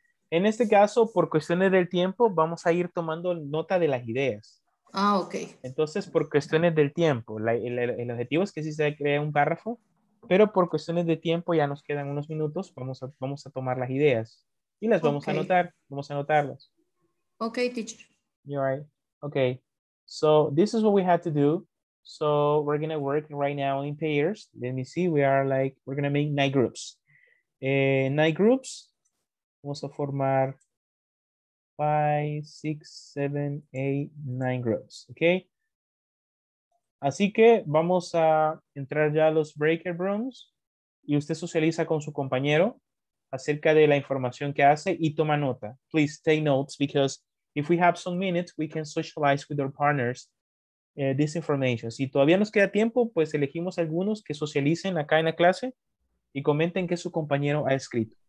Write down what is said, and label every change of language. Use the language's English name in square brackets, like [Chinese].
[Spanish] En este caso, por cuestiones del tiempo, vamos a ir tomando nota de las ideas. Ah, ok. Entonces, por cuestiones del tiempo, el objetivo es que sí se cree un párrafo, pero por cuestiones de tiempo, ya nos quedan unos minutos, vamos a tomar las ideas y las vamos a anotar, vamos a anotarlas. [English] Ok, teacher. You're right. Ok. So, this is what we had to do. So we're going to work right now in pairs. Let me see. We're going to make 9 groups. 9 groups. [Spanish] Vamos a formar 5, 6, 7, 8, 9 groups. Okay. Así que vamos a entrar ya a los breaker rooms. Y usted socializa con su compañero acerca de la información que hace y toma nota. [English] Please take notes because if we have some minutes, we can socialize with our partners. This information. [Spanish] Si todavía nos queda tiempo, pues elegimos algunos que socialicen acá en la clase y comenten qué su compañero ha escrito.